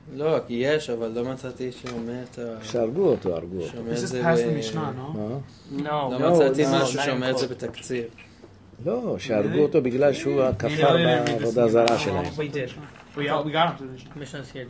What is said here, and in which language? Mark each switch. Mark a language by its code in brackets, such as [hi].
[he] לא, כי יש, אבל לא מצאתי שאומר את ה... שהרגו אותו, הרגו אותו. [en] This is past the Mishnah, no? [he] לא מצאתי משהו שאומר את זה בתקציר. לא, שהרגו אותו בגלל שהוא הכפר בעבודה זרה שלהם. [en] We did. We got him to the Mishnah.